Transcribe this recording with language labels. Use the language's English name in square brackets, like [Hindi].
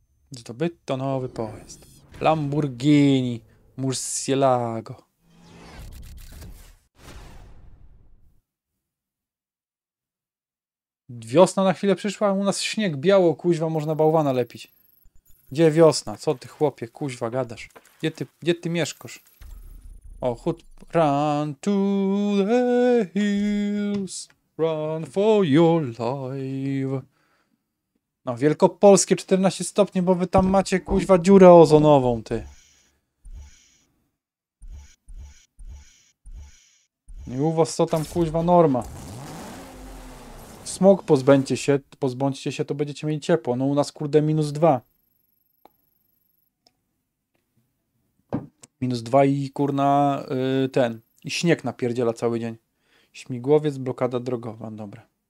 [Polish] Zdobyto nowy pojazd. Lamborghini Murcielago. Wiosna na chwilę przyszła, u nas śnieg biało, kuźwa, można bałwana lepić. Gdzie wiosna? Co ty, chłopie, kuźwa, gadasz? Gdzie ty mieszkasz? O, chód. [English] Run to the hills, run for your life. [Polish] No, Wielkopolskie 14 stopni, bo wy tam macie, kuźwa, dziurę ozonową, ty. I u was co tam, kuźwa, norma? Smog pozbądźcie się, to będziecie mieli ciepło. No u nas, kurde, minus 2. Minus 2 i kurna ten. I śnieg napierdziela cały dzień. Śmigłowiec, blokada drogowa, dobra.